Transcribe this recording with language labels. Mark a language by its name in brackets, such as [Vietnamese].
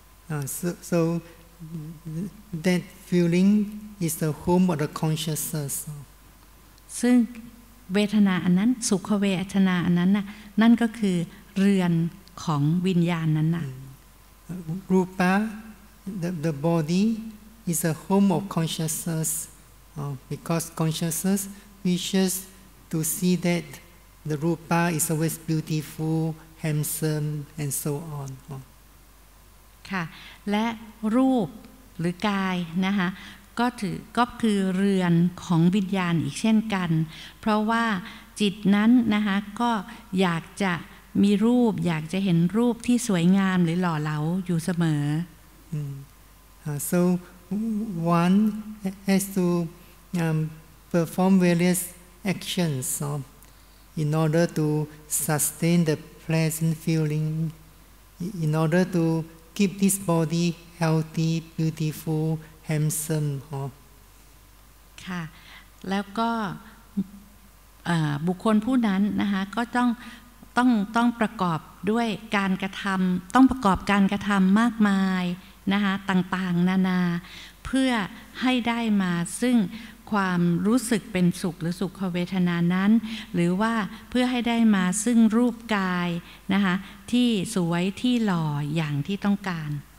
[English] อ so that feeling is the home of the consciousness [Thai] ซึ่งเวทนาอันนั้นสุขเวทนาอันนั้นน่ะนั่นก็คือเรือนของวิญญาณนั้นน่ะ [English] รูปะ the body is a home of consciousness because consciousness wishes to see that the rupa is always beautifulhandsome and so on [Thai] ค่ะและรูปหรือกายนะคะก็ถือก็คือเรือนของวิญญาณอีกเช่นกันเพราะว่าจิตนั้นนะคะก็อยากจะมีรูปอยากจะเห็นรูปที่สวยงามหรือหล่อเหลาอยู่เสม [English] อ so one has to perform various actions in order to sustain thepleasant feeling in order to keep this body healthy beautiful handsome [Thai] ค่ะแล้วก็บุคคลผู้นั้นนะคะก็ต้องประกอบด้วยการกระทําต้องประกอบการกระทํามากมายนะคะต่างๆนานาเพื่อให้ได้มาซึ่งความรู้สึกเป็นสุขหรือสุขเวทนานั้นหรือว่าเพื่อให้ได้มาซึ่งรูปกายนะคะที่สวยที่หล่ออย่างที่ต้องการ